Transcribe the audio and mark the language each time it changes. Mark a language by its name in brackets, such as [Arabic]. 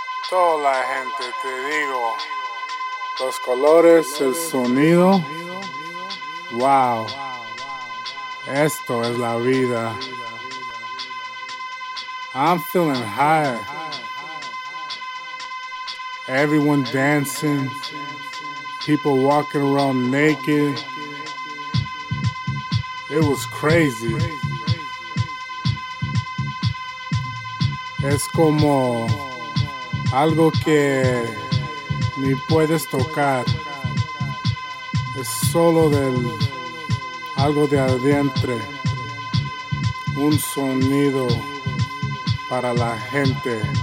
[Spanish] Toda la gente, te digo, los colores, el sonido, wow, esto es la vida. [English] I'm feeling high, everyone dancing, people walking around naked, it was crazy. [Spanish] Es como algo que ni puedes tocar, es solo del algo de adentro, un sonido para la gente.